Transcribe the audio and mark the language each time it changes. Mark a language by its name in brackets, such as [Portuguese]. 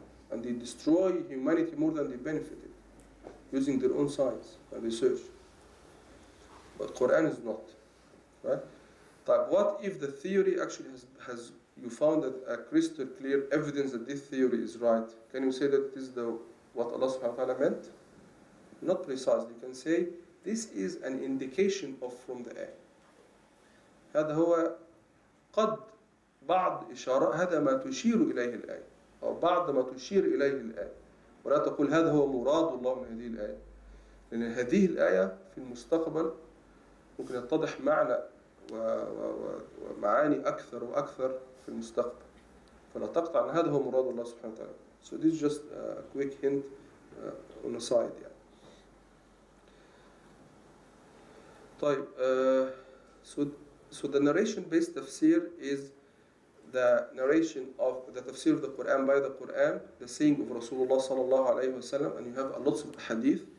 [English] And they destroy humanity more than they benefited using their own science and research. But Quran is not. Right? But what if the theory actually has you found that a crystal clear evidence that this theory is right? Can you say that this is the what Allah subhanahu wa ta'ala meant? Not precisely. You can say this is an indication of from the ayah. [Arabic] هذا هو قد بعض إشارة هذا ما تشير إليه الآية أو بعض ما تشير إليه الآية ولا تقول هذا هو مراد الله من هذه الآية لأن هذه الآية في المستقبل ممكن يتضح معنى ومعاني أكثر وأكثر في المستقبل فلا تقطع أن هذا هو مراد الله سبحانه وتعالى. [English] So this is just a quick hint on the side. طيب so the narration based tafsir is the narration of the tafsir of the Quran by the Quran, the saying of Rasulullah sallallahu alayhi wa sallam, and you have a lot of hadith.